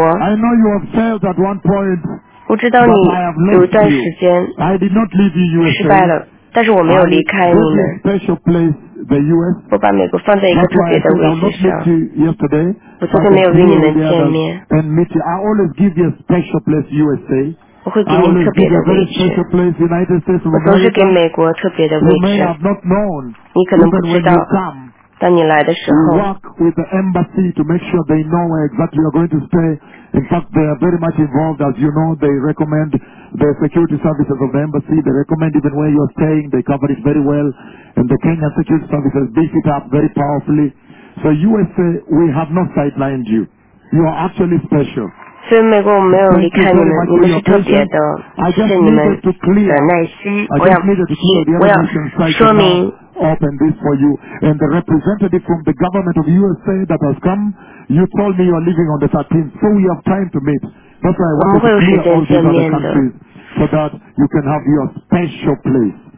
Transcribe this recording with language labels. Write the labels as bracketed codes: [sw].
[en] I know you have failed at one point. [zh] 我知道你有一段时间 [en] I did not leave you, USA. [zh] 失败了，但是我没有离开你们。 [en] Special place, the US. [zh] 我把美国放在一个特别的位置上。 [en] That's why I met you yesterday. [zh] 我昨天没有与你们见面。 [en] And meet you. I always give you a special place, USA. [zh] 我会给你特别的位置，我总是给美国特别的位置。你可能不知道，当你来的时候。 [en] With the embassy to make sure they know where exactly you are going to stay. In fact, they are very much involved, as you know. They recommend the security services of the embassy. They recommend even where you are staying. They cover it very well. And the Kenyan security services beef it up very powerfully. So USA, we have not sidelined you. You are actually special. [zh] 所以美国我没有离开你们，你们是特别的，谢谢你们的耐心。我要说明。 [en] Open this for you and the representative from the government of USA that has come. You told me you are leaving on the 13th, so we have time to meet. That's why I want to clear all these other countries so that you can have your special place.